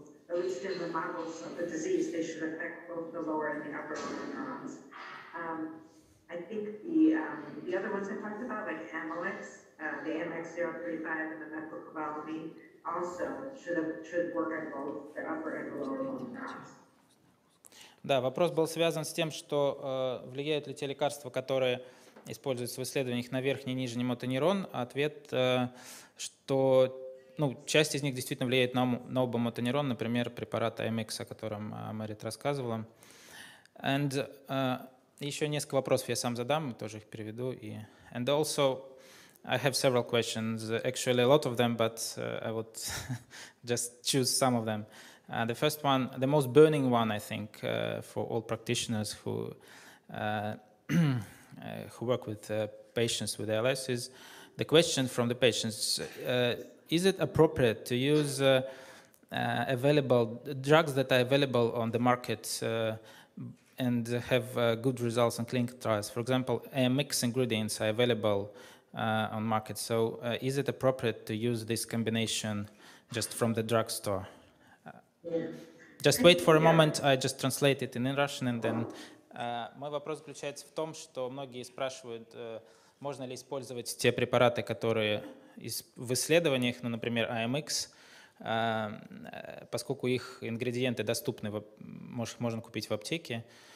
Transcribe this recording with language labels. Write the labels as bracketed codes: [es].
[en] At least in the models of the disease, they should affect both the lower and the upper motor neurons. I think the other ones I talked about, like Amylyx, the MX-035 and the methylcobalamin also should work on both the upper and lower motor neurons. [ru] Да, вопрос был связан с тем, что влияют ли те лекарства, которые используются в исследованиях на верхний и нижний мотонейрон. Ответ, что часть из них действительно влияет на оба мотонейрона, например, препарат AMX, о котором Мэрит рассказывала. [en] And [ru] еще несколько вопросов я сам задам, тоже их переведу. И [en] and also I have several questions, actually a lot of them, but I would just choose some of them. The first one, the most burning one, I think, for all practitioners who who work with patients with ALS is the question from the patients, is it appropriate to use available drugs that are available on the market and have good results in clinical trials? For example, AMX ingredients are available on market. So is it appropriate to use this combination just from the drugstore? Yeah. Just wait for a moment. I just translate it in Russian, and then. [ru] Мой вопрос заключается в том, что многие спрашивают, можно ли использовать те препараты, которые в исследованиях, например, AMX, поскольку их ингредиенты доступны, можно купить в аптеке.